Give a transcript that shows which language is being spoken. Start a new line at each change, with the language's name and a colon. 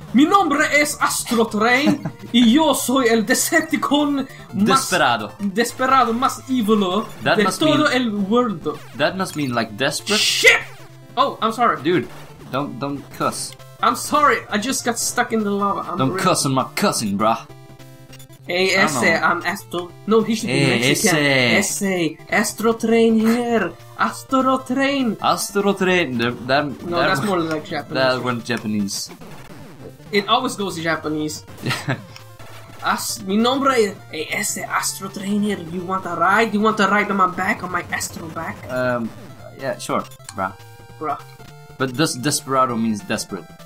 Spanish: Mi nombre es Astro Train, y yo soy el Decepticon desperado más evil de todo el world.
English: That must mean like desperate. Shit! Oh, I'm sorry. Dude, don't cuss. I'm sorry, I just got stuck in the lava. Cuss on my cousin, brah. Hey, Ese, I'm Astro. No, he should be Mexican. Ese, Astro Train here. Astro Train. Astro Train. That's more like Japanese. That went Japanese. It always goes in Japanese.
Spanish: Mi nombre es Astro Trainer.
English: You want a ride? You want a ride on my back? On my astro back? Yeah, sure. Brah. Brah. But does desperado means desperate?